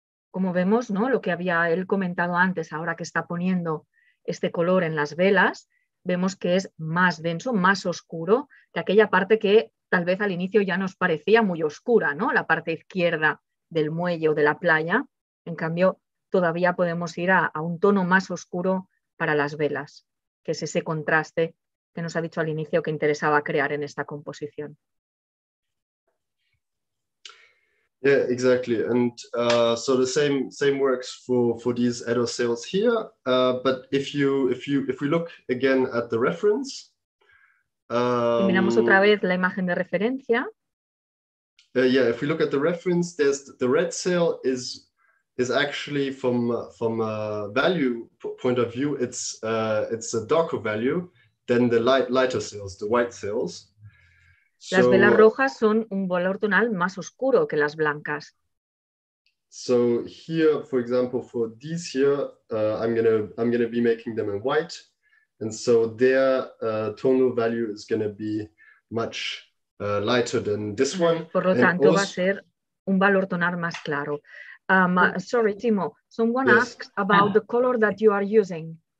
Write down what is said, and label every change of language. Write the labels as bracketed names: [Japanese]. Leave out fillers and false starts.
[Spanish] Como vemos, ¿no? Lo que había él comentado antes, ahora que está poniendo este color en las velas, vemos que es más denso, más oscuro que aquella parte que tal vez al inicio ya nos parecía muy oscura, ¿no? La parte izquierda del muelle o de la playa. En cambio, todavía podemos ir a un tono más oscuro para las velas, que es ese contraste que nos ha dicho al inicio que interesaba crear en esta composición. [English] Yeah, exactly. And so the same works for these Edo sails here. But if we look again at the reference, [Spanish] si miramos otra vez la imagen de referencia. [English] Yeah, if we look at the reference, there's the red sail is actually from a value point of view, it's a darker value than the lighter sails, the white sails. [Spanish] Las velas rojas son un valor tonal más oscuro que las blancas. [English] So here, for example, for these here, I'm gonna be making them in white, and so their tonal value is gonna be much lighter than this one. [Spanish] Por lo tanto, va a ser un valor tonal más claro. [English] Sorry, Timo. Someone asks about the color that you are using.